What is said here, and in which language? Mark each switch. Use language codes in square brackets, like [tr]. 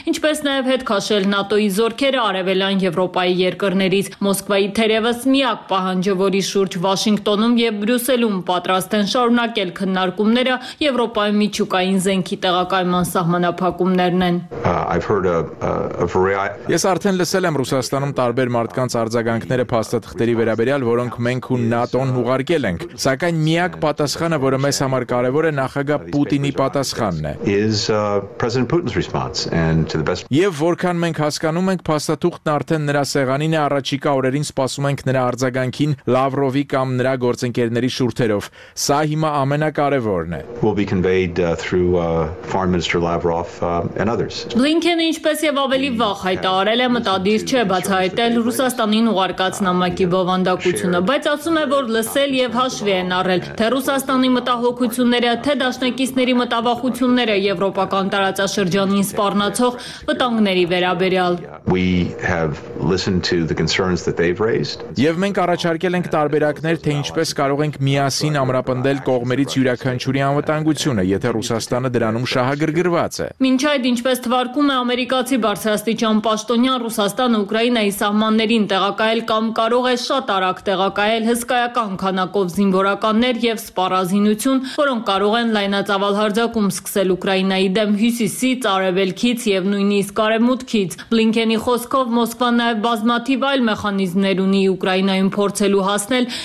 [hy] ինչպես նաև հետ քաշել ՆԱՏՕ-ի զորքերը արևելյան Եվրոպայի երկրներից։ Մոսկվայի թերևս միակ պահանջը, որի շուրջ Վաշինգտոնում եւ Բրյուսելում պատրաստ են շարունակել քննարկումները, Եվրոպայի միջուկային զենքի տեղակայման սահմանափակումներն են։ Ես արդեն լսել եմ Ռուսաստանում տարբեր մարդկանց արձագանքները փաստաթղթերի վերաբերյալ, որոնք մենք ու ՆԱՏՕ-ն ուղարկել ենք, սակայն միակ պատասխանը, որը մեզ համար կարևոր է, նախագահ Պուտինի պատասխանը [en] is President Putin's response and to the best [hy] Եվ որքան մենք հասկանում ենք, փաստաթուղթն արդեն նրա սեղանին է, առաջիկա օրերին սպասում ենք նրա արձագանքին Լավրովի կամ նրա գործընկերների շուրթերով։ Սա հիմա ամենակարևորն ընկերներն է. [en] Will be conveyed through Foreign Minister Lavrov and others. [hy] Blinken-ը ինչպես եւ ավելի վաղ հայտարարել է մտադիր չէ բացահայտել Ռուսաստանին ուղարկած նամակի բովանդակությունը, բայց ասում է, որ լսել եւ հաշվի են առել թե Ռուսաստանի մտահոգությունները, թե դաշնակիցների մտավախությունները եվրոպական տարածաշրջանին սպառնացող վտանգների վերաբերյալ. [en] We have listened to the concerns that they've raised. [hy] Եվ մենք առաջարկել ենք տարբերակներ, թե ինչպես կարող ենք միասին ամրապնդել կողմերից յուրաքանչյուրի անվտանգությունը, եթե Ռուսաստանը դրանում շահագրգռված է։ Մինչ այդ, ինչպես թվարկում է ամերիկացի բարձրաստիճան պաշտոնյան, Ռուսաստանը Ուկրաինայի սահմաններին տեղակայել կամ կարող է շատ արագ տեղակայել հսկայական քանակով զինվորականներ եւ սպառազինություն, որոնք կարող են լայնածավալ հարձակում սկսել Ուկրաինայի դեմ հյուսիսից, արևելքից եւ նույնիսկ արևմուտքից։ Բլինքենի խոսքով Մոսկվան նաեւ բազմաթիվ այլ մեխանիզմներ ունի Ուկրաինայում փորձելու հասնել